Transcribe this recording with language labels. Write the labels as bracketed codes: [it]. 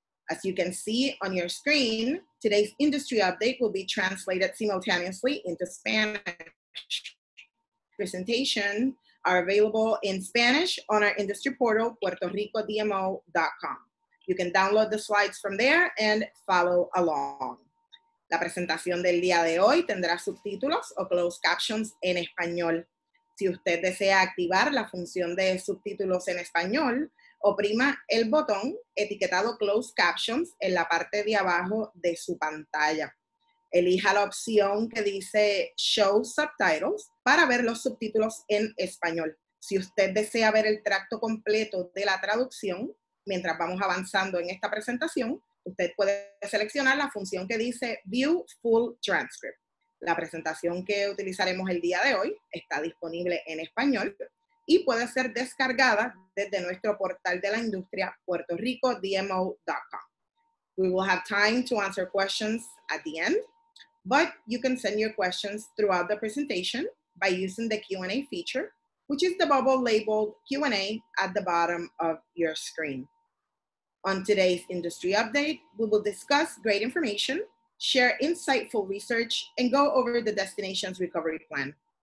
[en] As you can see on your screen, today's industry update will be translated simultaneously into Spanish. Presentations are available in Spanish on our industry portal, puertoricodmo.com. You can download the slides from there and follow along. [es] La presentación del día de hoy tendrá subtítulos o closed captions en español. Si usted desea activar la función de subtítulos en español, oprima el botón etiquetado Closed Captions en la parte de abajo de su pantalla. Elija la opción que dice Show Subtitles para ver los subtítulos en español. Si usted desea ver el tracto completo de la traducción, mientras vamos avanzando en esta presentación, usted puede seleccionar la función que dice View Full Transcript. La presentación que utilizaremos el día de hoy está disponible en español y puede ser descargada desde nuestro portal de la industria, puertoricodmo.com. [en] We will have time to answer questions at the end, but you can send your questions throughout the presentation by using the Q&A feature, which is the bubble labeled Q&A at the bottom of your screen. On today's industry update, we will discuss great information, share insightful research, and go over the destination's recovery plan.